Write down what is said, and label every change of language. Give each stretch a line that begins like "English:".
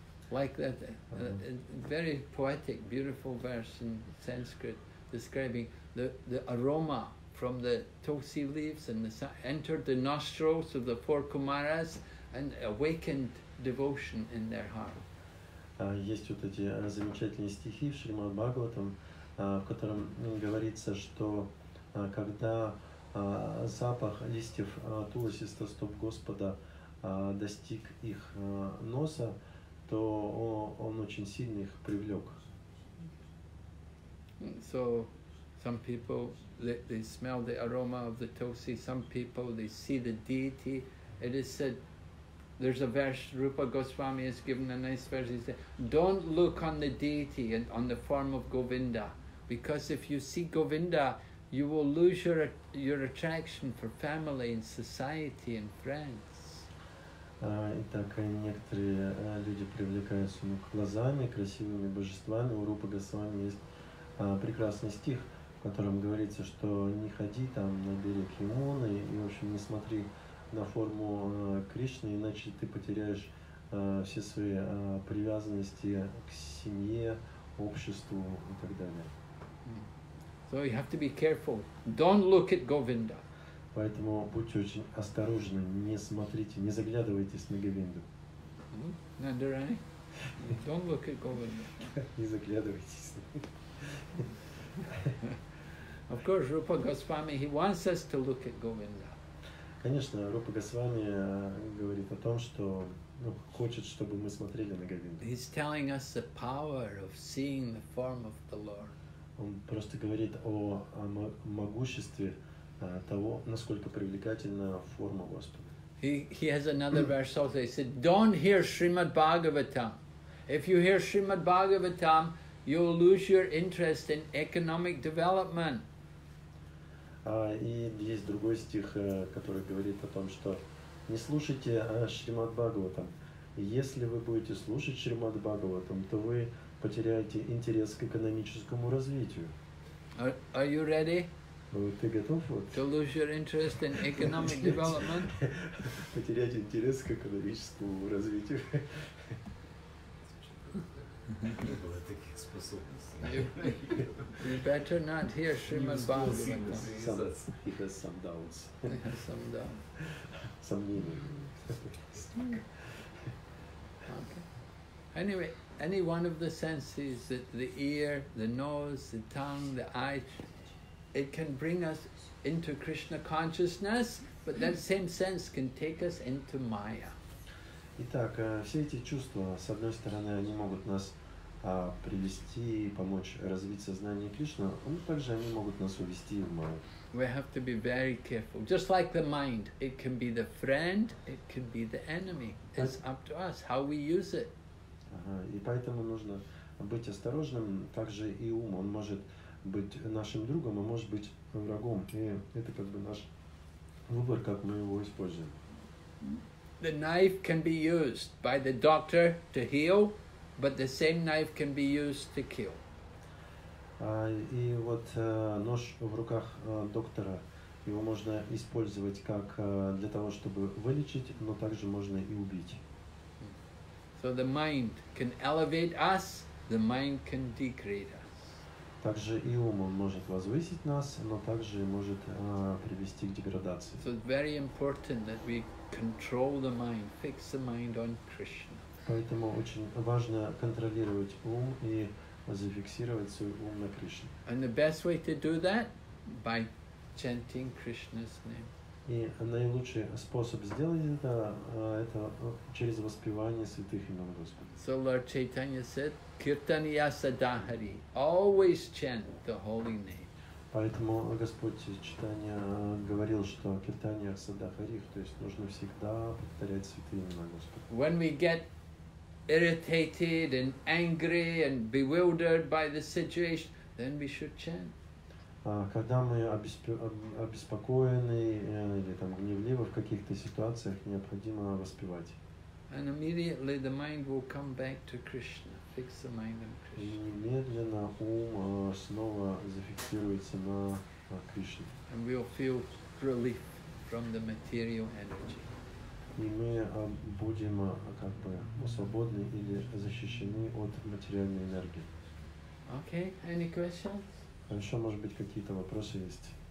English: Like that, very poetic, beautiful verse in Sanskrit describing the aroma from the tulsi leaves and entered the nostrils of the four Kumaras and awakened devotion in their heart.
Russian: Есть вот эти замечательные стихи в Шримад Бхагаватам, в котором говорится, что когда запах листьев тулоси со стоп Господа достиг их носа, то он очень сильно их привлек.
English: So, some people they smell the aroma of the tulsi. Some people they see the deity. It is said. There's a verse, Rupa Goswami has given a nice verse. He said, don't look on the deity and on the form of Govinda, because if you see Govinda, you will lose your attraction for family and society and friends.
Russian: Итак, некоторые люди привлекаются к глазами, красивыми божествами. У Рупа Госвами есть прекрасный стих, в котором говорится, что не ходи там на берег Ямуны и, в общем, не смотри на форму Кришны, иначе ты потеряешь все свои привязанности к семье, обществу и так далее.
English: So you have to be careful. Don't look at Govinda.
Russian: Поэтому будьте очень осторожны, не смотрите, не заглядывайтесь на Говинду.
English: Надарани. Don't look at Govinda.
Russian: Не заглядывайтесь.
English: Of course, Rupa Goswami, he wants us to look at Govinda.
Russian: Конечно, Рупа Госвами говорит о том, что хочет, чтобы мы смотрели на Говинду.
English: He's telling us the power of seeing the form of the Lord.
Russian: Он просто говорит о могуществе того, насколько привлекательна форма Господа.
English: He has another verse also. He said, "Don't hear Srimad Bhagavatam. If you hear Srimad Bhagavatam, you'll lose your interest in economic development."
Russian: И есть другой стих, который говорит о том, что не слушайте Шримад Бхагаватам. Если вы будете слушать Шримад Бхагаватам, то вы потеряете интерес к экономическому развитию.
English: Are you ready?
Russian: Ты готов?
English: To lose your interest in economic development?
Russian: Потерять интерес к экономическому развитию.
English: You better not hear Srimad Bhagavatam. He has some doubts. He has some doubts. Some meaning. Okay. Anyway, any one of the senses, that the ear, the nose, the tongue, the eye, it can bring us into Krishna consciousness, but that same sense can take us into Maya.
Russian: Итак, все эти чувства, с одной стороны, они могут нас привести и помочь развить сознание Кришны, но также они могут нас увести в Майю.
English: We have to be very careful. Just like the mind, it can be the friend, it can be the enemy. It's up to us how we use it.
Russian: И поэтому нужно быть осторожным, также и ум, он может быть нашим другом, а может быть врагом. И это как бы наш выбор, как мы его используем.
English: The knife can be used by the doctor to heal, but the same knife can be used to kill.
Russian: И вот нож в руках доктора, его можно использовать как для того, чтобы вылечить, но также можно и убить.
English: So the mind can elevate us, the mind can degrade us.
Russian: Также и ум, он может возвысить нас, но также может привести к деградации.
English: So it's very important that we control the mind, fix the mind on Krishna.
Russian: Поэтому очень важно контролировать ум и зафиксировать свой ум на Кришне.
English: And the best way to do that by chanting Krishna's name.
Russian: И наилучший способ сделать это через воспевание святых имен Господа.
English: So Lord Chaitanya said,
Sanskrit: "Kirtaniya sadahari,
English: always chant the holy name."
Russian: Поэтому Господь Чайтанья говорил, что
Sanskrit: киртания садахари,
Russian: то есть нужно всегда повторять святые имена Господа.
English: When we get irritated and angry and bewildered by the situation, then we should chant.
Russian: Когда мы обеспокоены или там гневливы в каких-то ситуациях, необходимо воспевать.
English: And immediately the mind will come back to Krishna, fix the mind on Krishna.
Russian: Немедленно ум снова зафиксируется на Кришне.
English: And we'll feel relief from the material energy.
Russian: И мы будем как бы свободны или защищены от материальной энергии.
English: Okay, any questions?
Russian: А еще, может быть, какие-то вопросы есть?